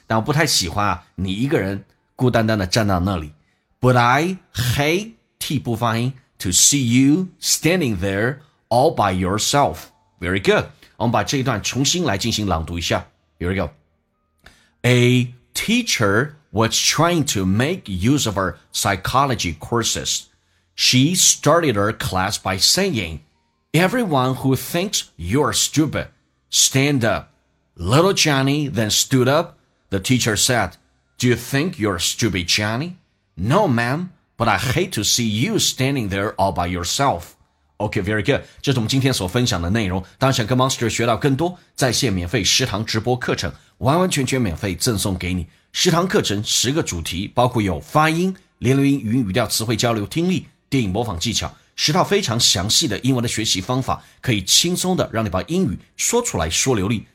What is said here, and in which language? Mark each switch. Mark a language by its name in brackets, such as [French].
[Chinese] 但我不太喜欢啊，你一个人孤单单的站到那里。 [English] But I hateT [Chinese] 不发音 [English] ,to see you standing there all by yourself. Very good. [Chinese] 我们把这一段重新来进行朗读一下。 [English] Here we go. A teacher was trying to make use of her psychology courses. She started her class by saying, Everyone who thinks you're stupid, stand up. Little Johnny then stood up. The teacher said, Do you think you're stupid, Johnny? No, ma'am. But I hate to see you standing there all by yourself. Okay, very good. [Chinese] 这是我们今天所分享的内容。当然想跟 Monster 学到更多在线免费食堂直播课程，完完全全免费赠送给你。十堂课程，十个主题，包括有发音、连读音、语音语调、词汇交流、听力、电影模仿技巧，十套非常详细的英文的学习方法，可以轻松的让你把英语说出来说流利。